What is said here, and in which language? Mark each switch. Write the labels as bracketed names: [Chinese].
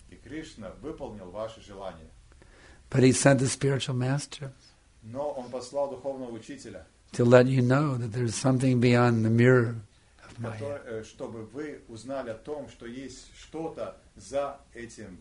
[Russian] И Кришна выполнил ваше желание. [English] But he sent the spiritual master. [Russian] Но он послал духовного учителя. [English] To let you know that there is something beyond the mirror of Maya. [Russian] Чтобы вы узнали о том, что есть что-то за этим.